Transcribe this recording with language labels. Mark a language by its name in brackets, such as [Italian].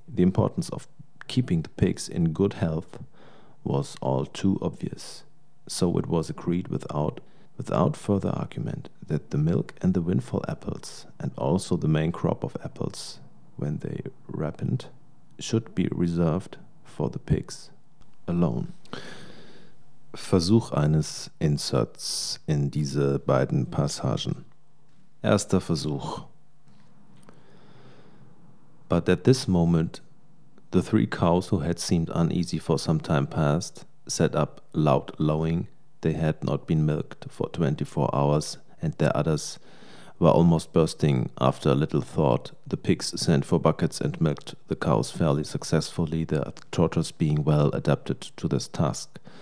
[English] The importance of keeping the pigs in good health was all too obvious. So it was agreed without further argument that the milk and the windfall apples, and also the main crop of apples when they ripened, should be reserved for the pigs alone. [German] Versuch eines Inserts in diese beiden Passagen. Erster Versuch. [English] But at this moment, the three cows who had seemed uneasy for some time past set up loud lowing. They had not been milked for 24 hours, and their udders were almost bursting. After a little thought, the pigs sent for buckets and milked the cows fairly successfully, the trotters being well adapted to this task.